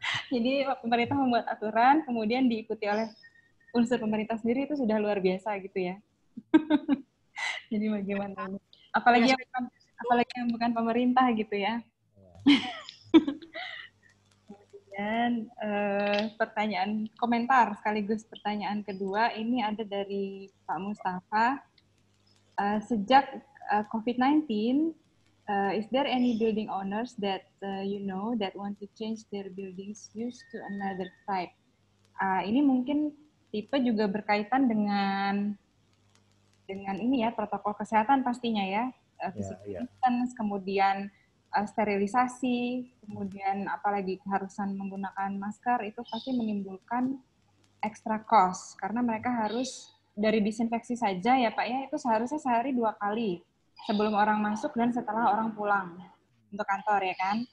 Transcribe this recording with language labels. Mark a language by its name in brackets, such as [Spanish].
[Indonesian] Jadi pemerintah membuat aturan, kemudian diikuti oleh unsur pemerintah sendiri itu sudah luar biasa gitu ya. Jadi bagaimana? Apalagi yang bukan, pemerintah gitu ya. Kemudian pertanyaan komentar sekaligus pertanyaan kedua ini ada dari Pak Mustafa. Sejak COVID-19, [English] is there any building owners that you know that want to change their buildings use to another type? [Indonesian] Ini mungkin tipe juga berkaitan dengan ini ya, protokol kesehatan pastinya ya, physical distance, kemudian sterilisasi, kemudian apalagi keharusan menggunakan masker, itu pasti menimbulkan extra cost karena mereka harus dari disinfeksi saja ya Pak ya, itu seharusnya sehari dua kali sebelum orang masuk dan setelah orang pulang untuk kantor ya kan.